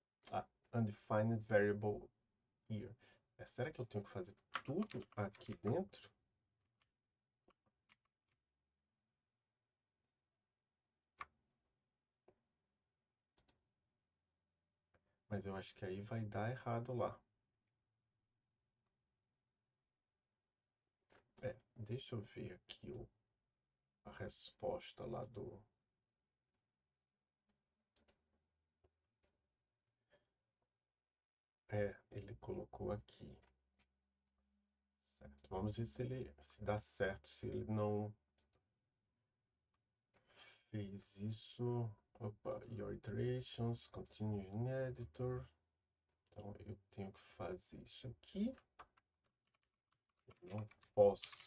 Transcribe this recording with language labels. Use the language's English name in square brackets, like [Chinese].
[English] Ah, undefined variable here. [Portuguese] É, será que eu tenho que fazer tudo aqui dentro? Mas eu acho que aí vai dar errado lá. É, deixa eu ver aqui o. A resposta lá do. É, ele colocou aqui. Certo. Vamos ver se ele se dá certo, se ele não fez isso. [English] Opa, your iterations, continue in editor. [Portuguese] Então eu tenho que fazer isso aqui. Eu não posso.